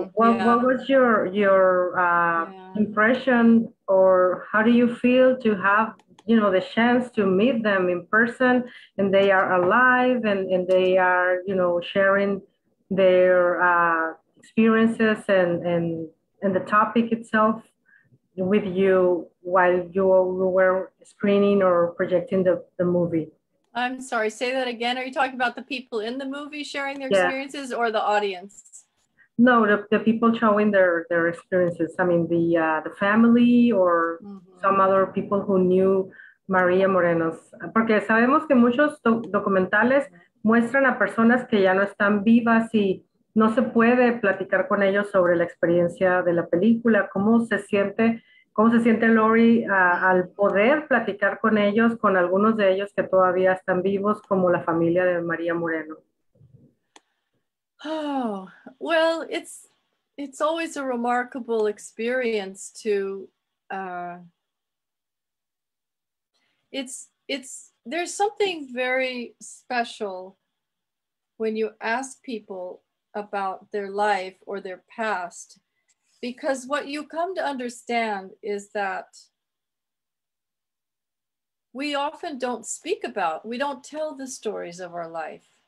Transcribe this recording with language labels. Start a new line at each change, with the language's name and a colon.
English: What was your impression, or how do you feel to have, you know, the chance to meet them in person, and they are alive, and they are, you know, sharing their experiences and the topic itself with you while you were screening or projecting the movie? I'm sorry, say that again. Are you talking about the people in the movie sharing their experiences or the audience? No, the people showing their experiences. I mean, the family or some other people who knew María Moreno's.
Spanish: Porque sabemos que muchos documentales muestran a personas que ya no están vivas y no se puede platicar con ellos sobre la experiencia de la película. ¿Cómo se siente Laurie al poder platicar con ellos, con algunos de ellos que todavía están vivos, como la familia de María Moreno?
English: Oh, well, it's always a remarkable experience to, there's something very special when you ask people about their life or their past, because what you come to understand is that we often don't speak about, we don't tell the stories of our life.